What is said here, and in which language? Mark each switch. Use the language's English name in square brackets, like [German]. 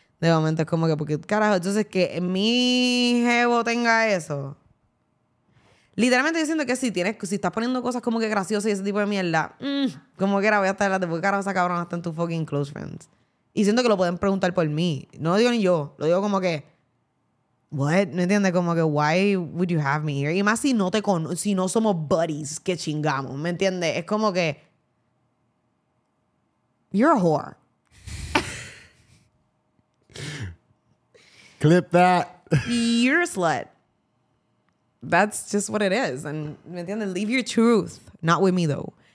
[Spanish] De momento es como que, porque carajo, entonces que mi jevo tenga eso. Literalmente yo siento que si estás poniendo cosas como que graciosas y ese tipo de mierda, como que era, voy a estar delante, porque carajo, esa cabrona está en tu fucking close friends. Y siento que lo pueden preguntar por mí. No lo digo ni yo, lo digo como que, what? No entiendes, como que, [English] why would you have me here? [Spanish] Y más si no somos buddies, que chingamos, ¿me entiendes? Es como que, [English] you're a whore. Clip that. You're a slut. That's just what it is. And, [Spanish] ¿me entiendes? [English] Leave your truth. Not with me, though.